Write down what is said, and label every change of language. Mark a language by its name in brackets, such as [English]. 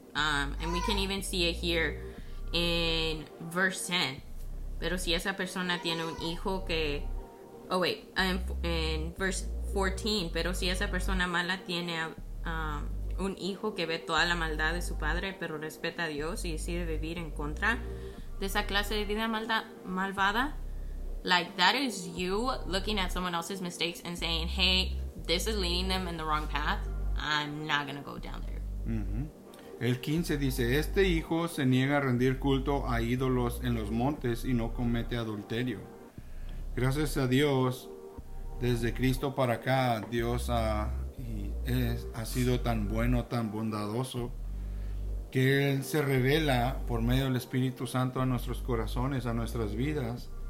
[English] And we can even see it here in verse 10. [Spanish] Pero si esa persona tiene un hijo que... [English] Oh, wait. In verse 14. [Spanish] Pero si esa persona mala tiene un hijo que ve toda la maldad de su padre, pero respeta a Dios y decide vivir en contra de esa clase de vida malvada. [English] Like, that is you looking at someone else's mistakes and saying, hey, this is leading them in the wrong path. I'm not gonna go down there. [Spanish] El 15 dice, este hijo se niega a rendir culto a ídolos en los montes y no comete adulterio. Gracias a Dios, desde Cristo para acá, Dios ha sido tan bueno, tan bondadoso, que Él se revela por medio del Espíritu Santo a nuestros corazones, a nuestras vidas.